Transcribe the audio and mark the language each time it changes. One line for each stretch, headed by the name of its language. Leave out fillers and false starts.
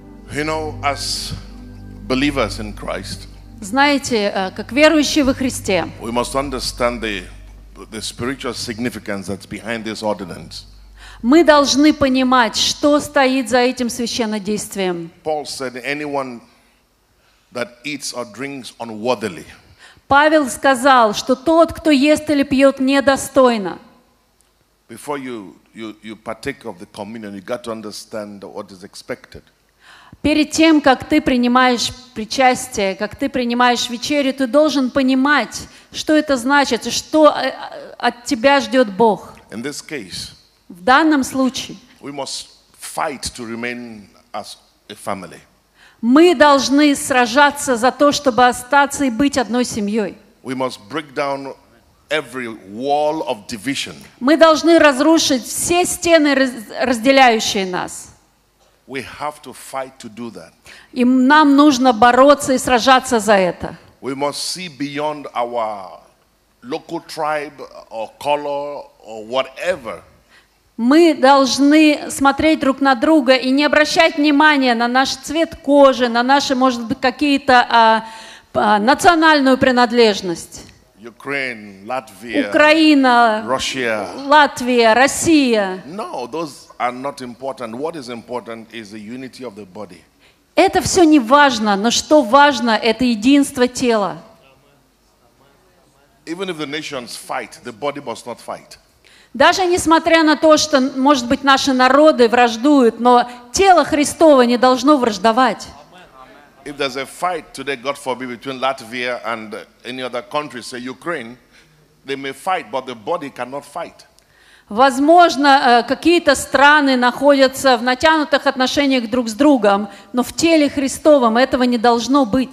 English: You know, as believers in Christ,
Russian: знаете, как верующие во Христе,
English: we must understand the spiritual significance that's behind this ordinance.
Russian: Мы должны понимать, что стоит за этим священнодействием.
English: Paul said, anyone that eats or drinks unworthily.
Russian: Павел сказал, что тот, кто ест или пьет недостойно.
English: Before you partake of the communion, you got to understand what is expected.
Russian: Перед тем, как ты принимаешь причастие, как ты принимаешь вечерю, ты должен понимать, что это значит, что от тебя ждет Бог.
English: In this case,
Russian: в данном случае
English: we must fight to remain as a family.
Russian: Мы должны сражаться за то, чтобы остаться и быть одной семьей.
English: We must break down every wall of division.
Russian: Мы должны разрушить все стены, разделяющие нас.
English: We have to fight to do that.
Russian: И нам нужно бороться и сражаться за это.
English: We must see beyond our local tribe or color or whatever.
Russian: Мы должны смотреть друг на друга и не обращать внимания на наш цвет кожи, на наши, может быть, какие-то национальную принадлежность.
English: Ukraine, Latvia,
Russian: Украина,
English: Russia.
Russian: Латвия, Россия.
English: No, those are not important. What is important is the unity of the body.
Russian: Это все не важно, но что важно, это единство тела.
English: Even if the nations fight, the body must not fight.
Russian: Даже несмотря на то, что, может быть, наши народы враждуют, но тело Христово не должно враждовать.
English: If there's a fight today, God forbid, between Latvia and any other country, say Ukraine, they may fight, but the body cannot fight.
Russian: Возможно, какие-то страны находятся в натянутых отношениях друг с другом, но в теле Христовом этого не должно